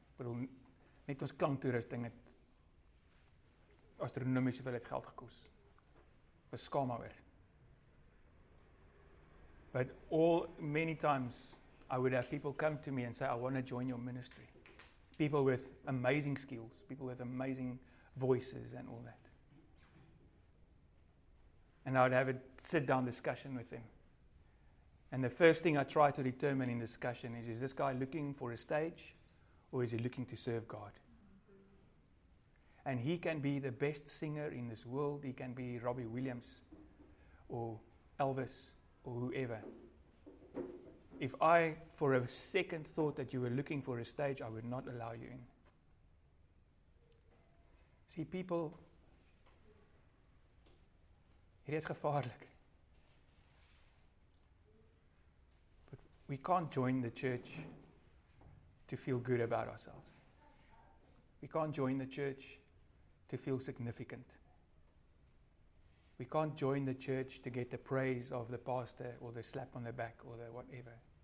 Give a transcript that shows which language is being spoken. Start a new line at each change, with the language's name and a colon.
English: But
Afrikaans: net ons klanktoerusting het astronomies hoeveel het geld gekos. Was skaam oor.
English: But all many times I would have people come to me and say, I want to join your ministry. People with amazing skills, people with amazing voices and all that. And I would have a sit-down discussion with them. And the first thing I try to determine in discussion is this guy looking for a stage or is he looking to serve God? And he can be the best singer in this world. He can be Robbie Williams or Elvis or whoever. If I, for a second, thought that you were looking for a stage, I would not allow you in. See, people, it is
Afrikaans: gevaarlijk.
English: But we can't join the church to feel good about ourselves. We can't join the church to feel significant. We can't join the church to get the praise of the pastor or the slap on the back or the whatever.